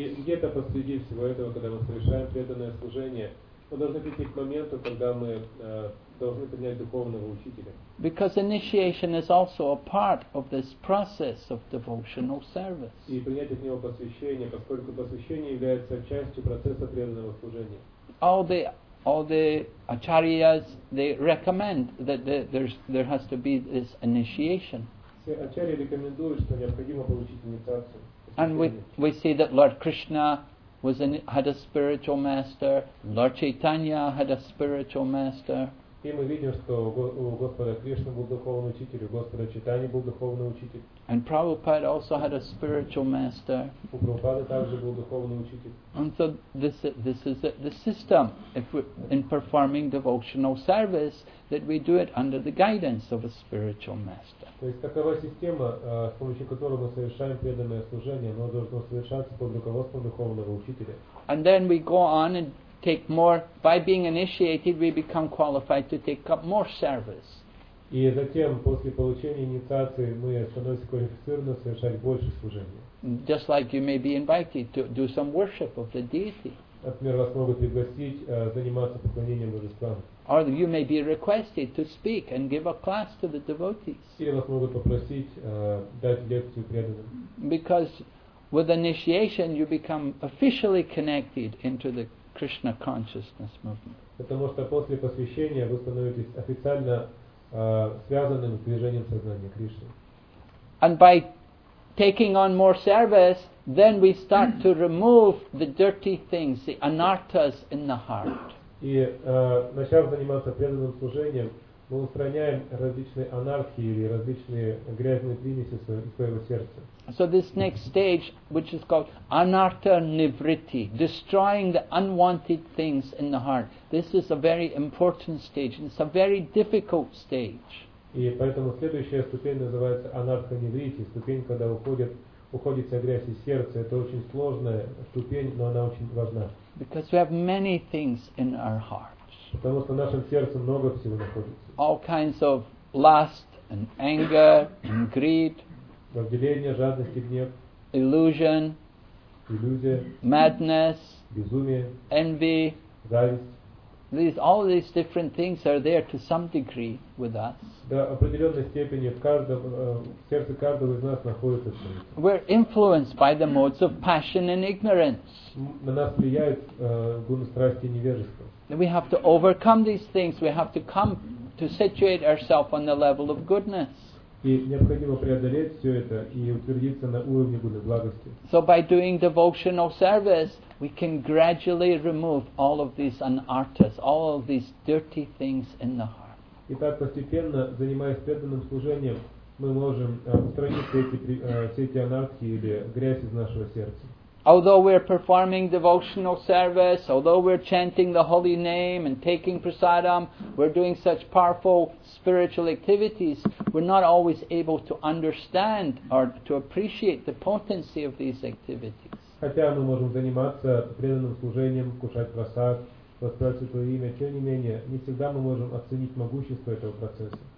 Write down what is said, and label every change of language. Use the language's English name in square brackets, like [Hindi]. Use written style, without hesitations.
[Russian] И где-то посреди всего этого, когда мы совершаем преданное служение, мы должны прийти к моменту, когда мы должны принять духовного учителя. [English] Because initiation is also a part of this process of devotional service. [Russian] И принять от него посвящение, поскольку посвящение является частью процесса преданного служения. [English] All the acharyas, they recommend that there has to be this initiation. [Russian] Все ачарьи рекомендуют, что необходимо получить инициацию. [English] And we see that Lord Krishna had a spiritual master. Lord Chaitanya had a spiritual master. [Russian] И мы видим, что у Господа Кришны был духовный учитель, у Господа Чайтаньи был духовный учитель. [English] And Prabhupada also had a spiritual master. [Russian] У Прабхупады также был духовный учитель. [English] And so this is the system. If in performing devotional service, that we do it under the guidance of a spiritual master. [Russian] То есть такова система, с помощью которой мы совершаем преданное служение, оно должно совершаться под руководством духовного учителя. [English] And then we go on and take more. By being initiated, we become qualified to take up more service. [Russian] И затем после получения инициации мы становимся квалифицированы совершать больше служения. [English] Just like you may be invited to do some worship of the deity. [Russian] например, вас могут пригласить заниматься поклонением божествам. [English] Or you may be requested to speak and give a class to the devotees. [Russian] Или вас могут попросить дать лекцию преданным. [English] Because with initiation you become officially connected into the Krishna consciousness movement. [Russian] Потому что после посвящения вы становитесь официально связанным с движением сознания Кришны. [English] And by taking on more service, then we start to remove the dirty things, the anarthas in the heart. [Russian] И начав заниматься преданным служением, мы устраняем различные анархии или различные грязные примеси из своего сердца. [English] So this next stage, which is called anartha nivritti, destroying the unwanted things in the heart. This is a very important stage, and it's a very difficult stage. [Russian] И поэтому следующая ступень называется анартха нивритти, ступень, когда уходит вся грязь из сердца. Это очень сложная ступень, но она очень важна. [English] Because we have many things in our hearts. [Russian] Потому что в нашем сердце много всего находится. [English] All kinds of lust and anger and greed. [Russian] Вожделение, жадность и гнев. [English] Illusion. [Russian] Иллюзия. [English] Madness. [Russian] Безумие. [English] Envy. [Russian] Зависть. [English] All these different things are there to some degree with us. [Russian] До определенной степени в сердце каждого из нас находится что-то. [English] We're influenced by the modes of passion and ignorance. [Russian] На нас влияют гуны страсти и невежества. [English] We have to overcome these things. We have to come to situate ourselves on the level of goodness. [Russian] И необходимо преодолеть все это и утвердиться на уровне гуны благости. [English] So by doing devotional service, we can gradually remove all of these anarthas, all of these dirty things in the heart. [Russian] Итак, постепенно, занимаясь преданным служением, мы можем устранить все эти анархии или грязь из нашего сердца. [English] Although we're performing devotional service, although we're chanting the holy name and taking prasadam, we're doing such powerful spiritual activities, we're not always able to understand or to appreciate the potency of these activities. [Russian] Хотя мы можем заниматься преданным служением, кушать прасад, воспевать Святое Имя, тем не менее, не всегда мы можем оценить могущество этого процесса.